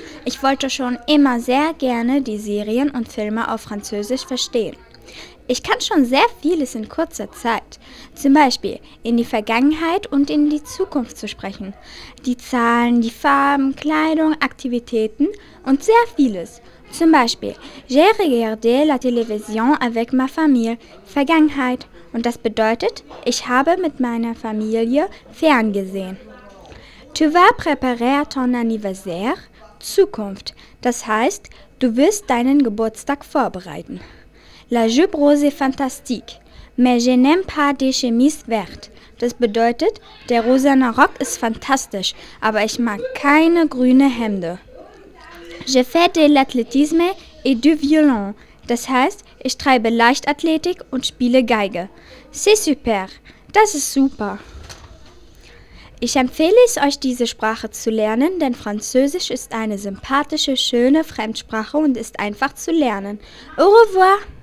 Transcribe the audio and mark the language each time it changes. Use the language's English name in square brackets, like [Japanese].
[German] Ich wollte schon immer sehr gerne die Serien und Filme auf Französisch verstehen. Ich kann schon sehr vieles in kurzer Zeit, zum Beispiel in die Vergangenheit und in die Zukunft zu sprechen. Die Zahlen, die Farben, Kleidung, Aktivitäten und sehr vieles. Zum Beispiel, [French] j'ai regardé la télévision avec ma famille, [German] Vergangenheit. Und das bedeutet, ich habe mit meiner Familie ferngesehen. [French] Tu vas préparer ton anniversaire, [German] Zukunft. Das heißt, du wirst deinen Geburtstag vorbereiten. [French] La jupe rose est fantastique, mais je n'aime pas des chemises vertes. [German] Das bedeutet, der rosane Rock ist fantastisch, aber ich mag keine grüne Hemden. [French] Je fais de l'athlétisme et du violon. [German] Das heißt, ich treibe Leichtathletik und spiele Geige. [French] C'est super. [German] Das ist super. Ich empfehle es euch, diese Sprache zu lernen, denn Französisch ist eine sympathische, schöne Fremdsprache und ist einfach zu lernen. [French] Au revoir!